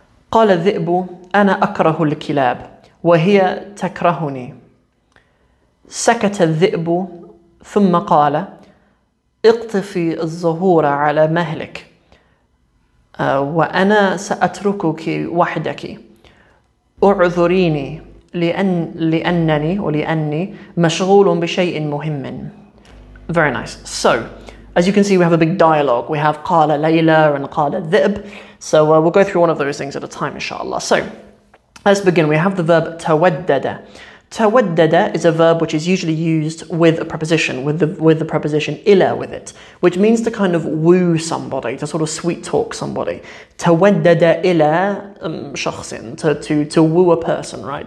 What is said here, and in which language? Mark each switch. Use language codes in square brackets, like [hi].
[ar] قال الذئب أنا أكره الكلاب وهي تكرهني سكت الذئب ثم قال اقطفي الزهور على مهلك وأنا سأتركك وحدك أعذريني لأنني مشغول بشيء مهم. [en] Very nice. So, as you can see, we have a big dialogue. We have [ar] قال ليلى [en] and [ar] قال الذئب. [en] So we'll go through one of those things at a time, inshallah. So, let's begin. We have the verb تودد. Tawaddada is a verb which is usually used with a preposition, with the preposition illa with it, which means to kind of woo somebody, to sort of sweet talk somebody. Tawaddada illa shakhsin, to woo a person, right?